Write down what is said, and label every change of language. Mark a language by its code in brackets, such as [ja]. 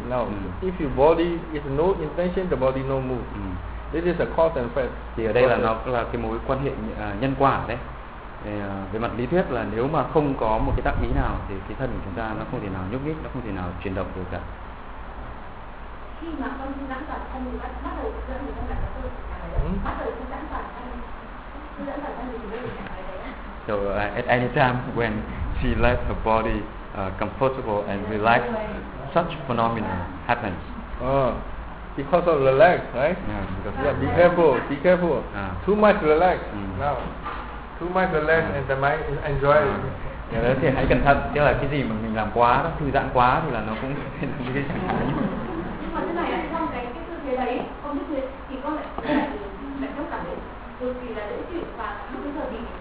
[en] Now, if your body is no intention, the body no move. This is a cause and effect. [vi] Thì ở đây là nó là cái mối quan hệ nhân quả đấy. Về mặt lý thuyết là nếu mà không có một cái tác ý nào thì cái thân của chúng ta nó không thể nào nhúc nhích, nó không thể nào chuyển động được cả. Khi mà con nắm vào thân mình bắt đầu dẫn thì con [en] So at any time when she let her body comfortable and relaxed, such phenomena happens. Oh, because of relax, right? Yeah, be careful. Too much relax. Now, too much relax and the mind enjoy. [vi] Yeah, thì hãy cẩn thận. Tức là cái gì mà mình làm quá, nó thư giãn quá thì là nó cũng như cái trạng thái. Nhưng mà thế này, trong cái tư thế đấy, không biết thì có lại không cảm thấy cực kỳ là dễ chịu và lúc bây giờ thì